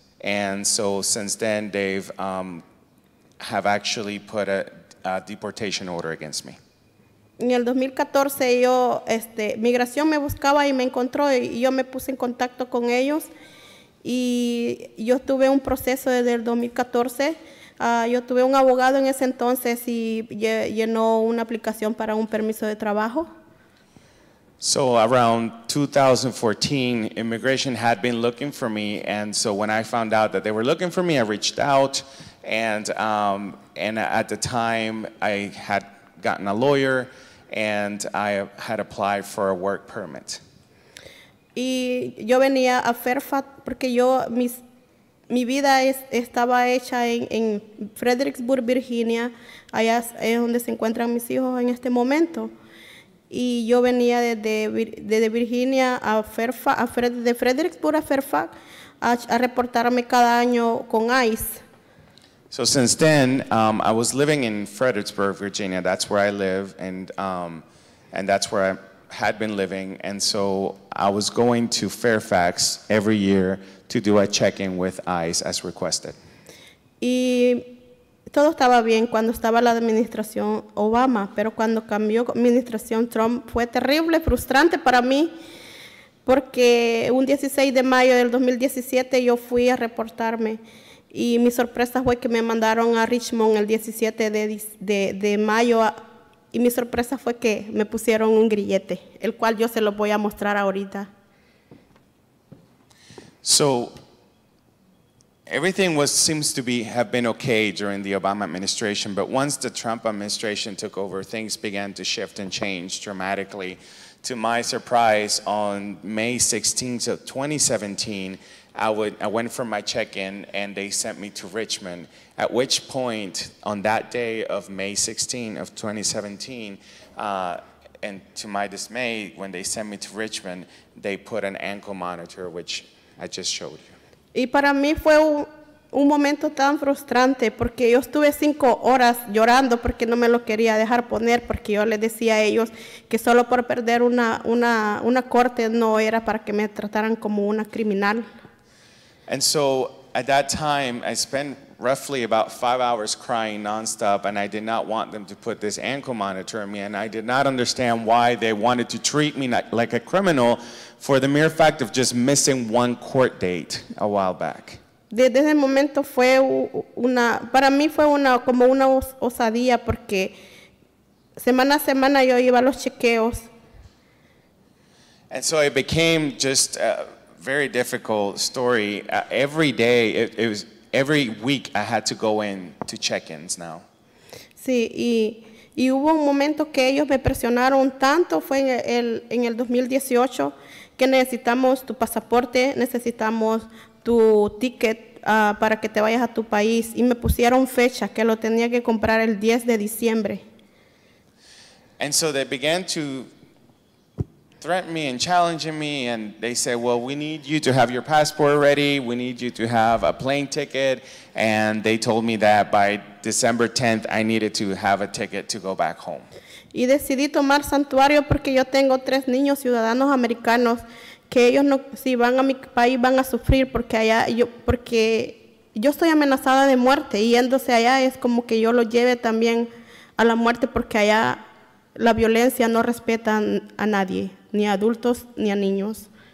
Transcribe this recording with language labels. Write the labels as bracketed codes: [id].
[en] And so since then, they've have actually put a deportation order against me. [es] En el 2014, migración me buscaba y me encontró y yo me puse en contacto con ellos. Y yo tuve un proceso desde el 2014. Yo tuve un abogado en ese entonces y llenó una aplicación para un permiso de trabajo. [en] So around 2014, immigration had been looking for me, and so when I found out that they were looking for me, I reached out, and at the time, I had gotten a lawyer, and I had applied for a work permit. [es] Y yo venía a Fairfax porque yo, mi vida estaba hecha en Fredericksburg, Virginia, allá es donde se encuentran mis hijos en este momento. Y yo venía desde Virginia a Fairfax, de Fredericksburg a Fairfax, a reportarme cada año con ICE. [en] So since then, I was living in Fredericksburg, Virginia. That's where I live, and that's where I had been living. And so I was going to Fairfax every year to do a check-in with ICE as requested. [es] Y todo estaba bien cuando estaba la administración Obama, pero cuando cambió administración Trump fue terrible, frustrante para mí, porque un 16 de mayo del 2017 yo fui a reportarme y mi sorpresa fue que me mandaron a Richmond el 17 de mayo y mi sorpresa fue que me pusieron un grillete, el cual yo se lo voy a mostrar ahorita. [en] So everything was seems to be have been okay during the Obama administration, but once the Trump administration took over, things began to shift and change dramatically. To my surprise, on May 16th of 2017, I went for my check-in and they sent me to Richmond, at which point on that day of May 16th of 2017, and to my dismay, when they sent me to Richmond, they put an ankle monitor, which I just showed you. [es] Y para mí fue un momento tan frustrante porque yo estuve 5 horas llorando porque no me lo quería dejar poner porque yo les decía a ellos que solo por perder una corte no era para que me trataran como una criminal. [en] And so at that time I spent roughly about 5 hours crying nonstop and I did not want them to put this ankle monitor on me and I did not understand why they wanted to treat me like a criminal for the mere fact of just missing one court date a while back. [es] Desde ese momento fue una, para mí fue una, como una osadía porque semana a semana yo iba a los chequeos. [en] And so it became just a very difficult story. Every day, every week I had to go in to check-ins now. [es] Sí, y hubo un momento que ellos me presionaron tanto, fue en el 2018, que necesitamos tu pasaporte, necesitamos tu ticket para que te vayas a tu país. Y me pusieron fecha, que lo tenía que comprar el 10 de diciembre. [en] And so they began to threatened me and challenging me, and they said, well, we need you to have your passport ready, we need you to have a plane ticket, and they told me that by December 10th, I needed to have a ticket to go back home. [es] Y decidí tomar santuario porque yo tengo tres niños ciudadanos americanos que ellos no, si van a mi país van a sufrir porque allá yo, porque yo estoy amenazada de muerte y yéndose allá es como que yo lo lleve también a la muerte porque allá la violencia no respeta a nadie, ni a adultos ni a niños.